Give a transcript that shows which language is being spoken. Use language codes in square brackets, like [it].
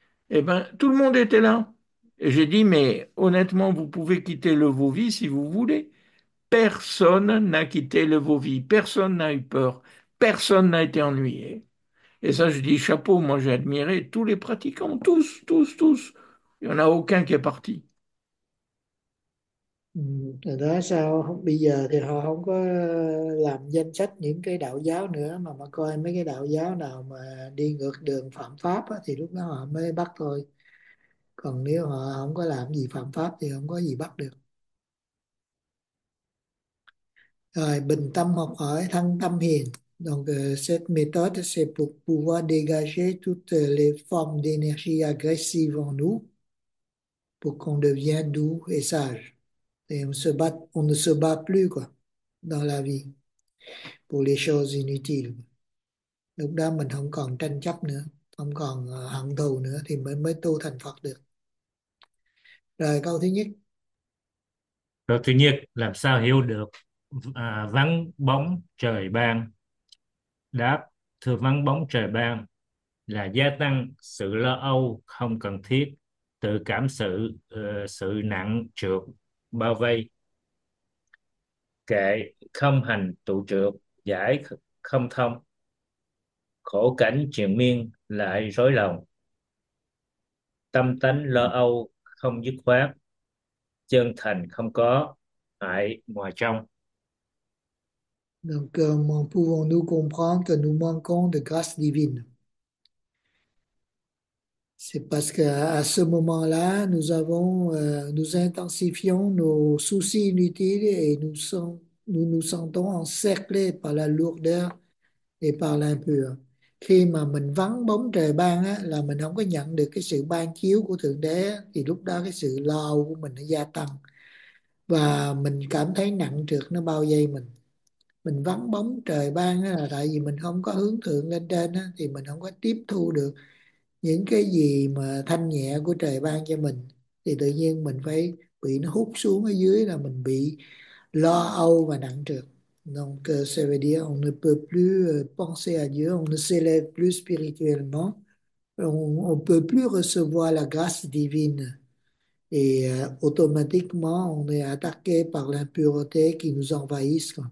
[fr] Eh bien, tout le monde était là. Et j'ai dit, mais honnêtement, vous pouvez quitter le Vovi si vous voulez. Personne n'a quitté le Vovi, personne n'a eu peur, personne n'a été ennuyé. Et ça, je dis chapeau, moi j'ai admiré tous les pratiquants, tous, tous, tous. Il n'y en a aucun qui est parti. [vi] Ừ, đó sao bây giờ thì họ không có làm danh sách những cái đạo giáo nữa mà coi mấy cái đạo giáo nào mà đi ngược đường phạm pháp á, thì lúc đó họ mới bắt thôi. Còn nếu họ không có làm gì phạm pháp thì không có gì bắt được. Rồi bình tâm học hỏi thân tâm hiền. [fr] Donc cette méthode c'est pour pouvoir dégager toutes les formes d'énergie agressive en nous pour qu'on devienne doux et sage. Et on ne se bat plus quoi, dans la vie pour les choses inutiles. [vi] Lúc đó mình không còn tranh chấp nữa, không còn hận thù nữa thì mới mới tu thành Phật được. Rồi câu thứ nhất. Câu thứ nhất, làm sao hiểu được vắng bóng trời ban? Đáp, thưa vắng bóng trời ban là gia tăng sự lo âu không cần thiết, tự cảm sự sự nặng trược bao vây. Kệ, không hành tụ trược, giải không thông. Khổ cảnh triền miên lại rối lòng. Tâm tánh lo âu không dứt khoát, chân thành không có, tại ngoài trong. [fr] Donc, comment pouvons-nous comprendre que nous manquons de grâce divine? C'est parce qu'à ce moment-là, nous intensifions nos soucis inutiles et nous nous sentons encerclés par la lourdeur et par l'impur. [vi] Khi mà mình vắng bóng trời ban á, là mình không có nhận được cái sự ban chiếu của Thượng Đế á, thì lúc đó cái sự lo âu của mình nó gia tăng và mình cảm thấy nặng trược nó bao vây mình. Mình vắng bóng trời ban á, là tại vì mình không có hướng thượng lên trên á, thì mình không có tiếp thu được những cái gì mà thanh nhẹ của trời ban cho mình, thì tự nhiên mình phải bị nó hút xuống ở dưới, là mình bị lo âu và nặng trược. [fr] Donc, ça veut dire on ne peut plus penser à Dieu, on ne s'élève plus spirituellement, on ne peut plus recevoir la grâce divine. Et automatiquement, on est attaqué par l'impureté qui nous envahit.